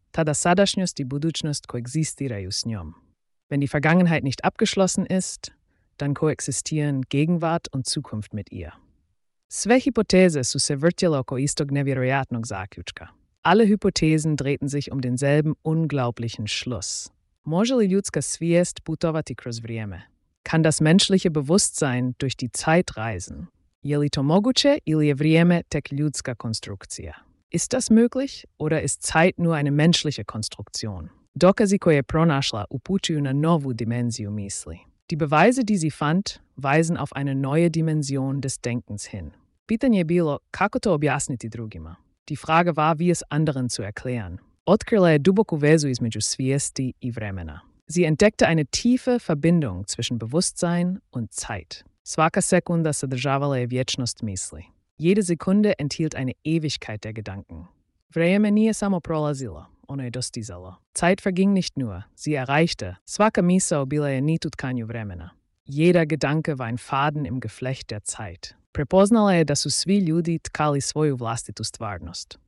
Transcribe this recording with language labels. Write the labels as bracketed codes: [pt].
[hr] tada sadašnjost i budućnost koexistiraju s njom. [de] Wenn die Vergangenheit nicht abgeschlossen ist, dann koexistieren Gegenwart und Zukunft mit ihr. [hr] Sve hipoteze su se vrtjele oko istog nevjerojatnog zaključka. [de] Alle Hypothesen drehten sich um denselben unglaublichen Schluss. [hr] Može li ljudska svijest putovati kroz vrijeme? [de] Kann das menschliche Bewusstsein durch die Zeit reisen? [hr] Je li to moguće ili je vrijeme tek ljudska konstrukcija? [de] Ist das möglich oder ist Zeit nur eine menschliche Konstruktion? [hr] Dokazi koje pronašla upućuju na novu dimenziju misli. [de] Die Beweise, die sie fand, weisen auf eine neue Dimension des Denkens hin. [hr] Pitanje je bilo, kako to objasniti drugima? [de] Die Frage war, wie es anderen zu erklären. [hr] Otkrila je duboku vezu između svijesti i vremena. [de] Sie entdeckte eine tiefe Verbindung zwischen Bewusstsein und Zeit. [hr] Svaka sekunda sadržavala je vječnost misli. [de] Jede Sekunde enthielt eine Ewigkeit der Gedanken. [hr] Vreme nije samo prolazilo, ono je dostizalo. [de] Zeit verging nicht nur, sie erreichte. [hr] Svaka misao bila je nit utkanju vremena. [de] Jeder Gedanke war ein Faden im Geflecht der Zeit. [hr] Prepoznala je da su svi ljudi tkali svoju vlastitu stvarnost.